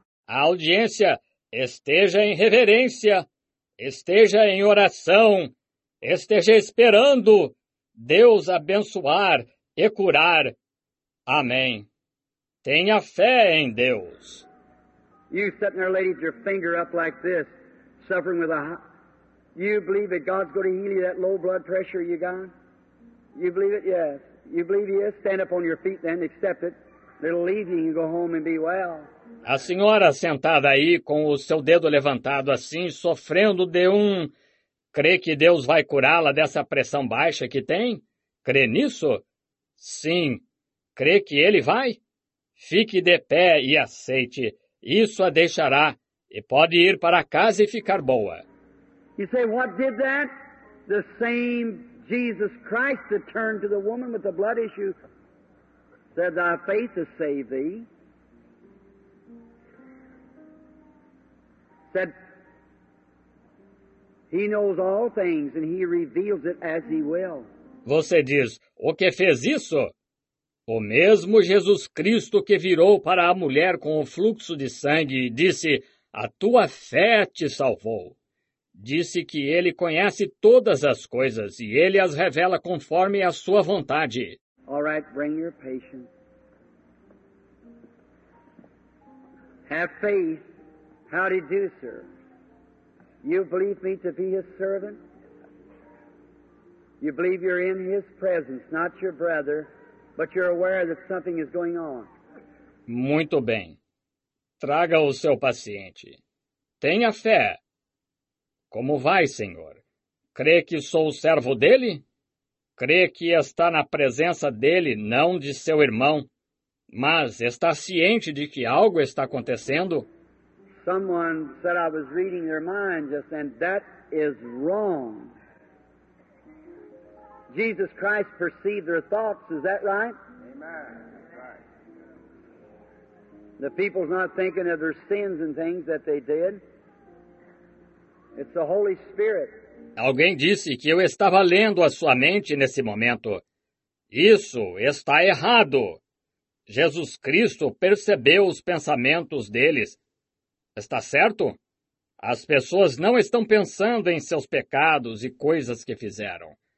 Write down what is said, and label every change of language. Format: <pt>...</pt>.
<pt>A audiência, esteja em reverência, esteja em oração, esteja esperando Deus abençoar e curar. Amém. Tenha fé em Deus.</pt> <en>You sitting there, ladies, your finger up like this, suffering with a... You believe that God's going to heal you that low blood pressure you got? You believe it? Yes. You believe He is? Stand up on your feet then, accept it. It'll leave you and you go home and be well.</en> <pt>A senhora sentada aí com o seu dedo levantado assim, sofrendo de um... Crê que Deus vai curá-la dessa pressão baixa que tem? Crê nisso? Sim. Crê que Ele vai? Fique de pé e aceite. Isso a deixará. E pode ir para casa e ficar boa.</pt> <en>You say, what did that? The same Jesus Christ that turned to the woman with the blood issue said, thy faith has saved thee. Said, He knows all things and He reveals it as He will.</en> <pt>Você diz, o que fez isso? O mesmo Jesus Cristo que virou para a mulher com o fluxo de sangue e disse, a tua fé te salvou. Disse que Ele conhece todas as coisas e Ele as revela conforme a sua vontade.</pt> <en>All right, bring your patience. Have faith. How do you do, sir? You believe me to be His servant? You believe you're in His presence, not your brother, but you're aware that something is going on.</en> <pt>Muito bem. Traga o seu paciente. Tenha fé. Como vai, Senhor? Crê que sou o servo dEle? Crê que está na presença dEle, não de seu irmão? Mas está ciente de que algo está acontecendo?</pt> <en>Someone said I was reading their mind just then. That is wrong. Jesus Christ perceived their thoughts. Is that right? Amen. Right. The people's not thinking of their sins and things that they did. It's the Holy Spirit.</en> <pt>Alguém disse que eu estava lendo a sua mente nesse momento. Isso está errado. Jesus Cristo percebeu os pensamentos deles. Está certo? As pessoas não estão pensando em seus pecados e coisas que fizeram.</pt>